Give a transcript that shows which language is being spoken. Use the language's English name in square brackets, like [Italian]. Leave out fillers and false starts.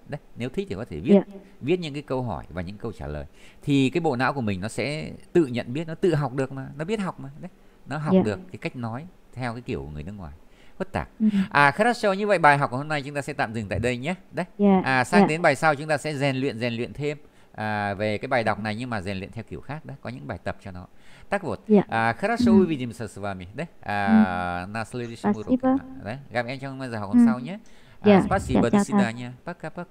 [Vietnamese] Đấy, nếu thích thì có thể viết. Viết những cái câu hỏi và những câu trả lời thì cái bộ não của mình nó sẽ tự nhận biết, nó tự học được mà, nó biết học mà. Đấy. Nó học được cái cách nói theo cái kiểu của người nước ngoài. Хорошо, như vậy bài học của hôm nay chúng ta sẽ tạm dừng tại đây nhé. Đấy. Sang đến bài sau chúng ta sẽ rèn luyện thêm về cái bài đọc này, nhưng mà rèn luyện theo kiểu khác đó, có những bài tập cho nó. [Russian] Так вот. Хорошо, увидимся с вами, да? На следующем уроке. Да? [Vietnamese] Gặp em trong giờ học hôm sau нhé. [Russian] Спасибо, до свидания. Пока-пока.